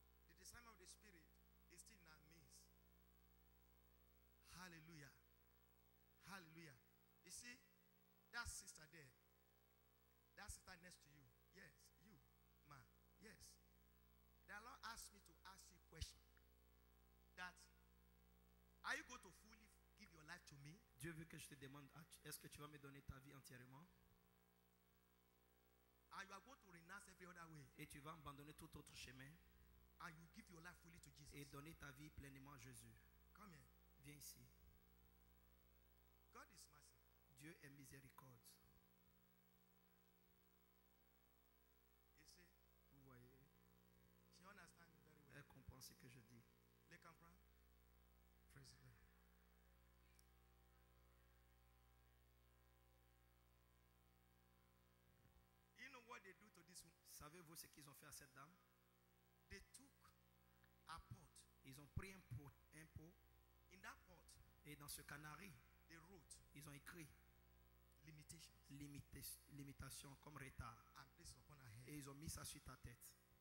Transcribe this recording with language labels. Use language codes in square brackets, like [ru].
[en] The discernment of the Spirit is still in our midst. Hallelujah. Hallelujah. You see, that sister there, that sister next to you, yes, you, ma, yes. The Lord asked me to ask you a question. That, are you going to fully give your life to me? [fr] Dieu veut que je te demande, est-ce que tu vas me donner ta vie entièrement? [en] And you are going to renounce every other way. [fr] Et tu vas abandonner tout autre chemin. [en] And you give your life fully to Jesus. [fr] Et donner ta vie pleinement à Jésus. [en] Come here. [fr] Viens ici. [en] God is mercy. [fr] Dieu est miséricorde. [en] You see? [fr] Vous voyez? [en] She understands very well. [fr] Elle comprend ce que je dis. Les comprend? [en] Praise God. You know what they do to this woman? [fr] Savez-vous ce qu'ils ont fait à cette dame? [en] They took a pot. [fr] Ils ont pris un pot. [en] In that pot. [fr] Et dans ce canari. [en] They wrote. [fr] Ils ont écrit. [en] Limitations. [fr] Limitation comme retard. [en] And placed upon her head. [fr] Et ils ont mis ça sur ta tête.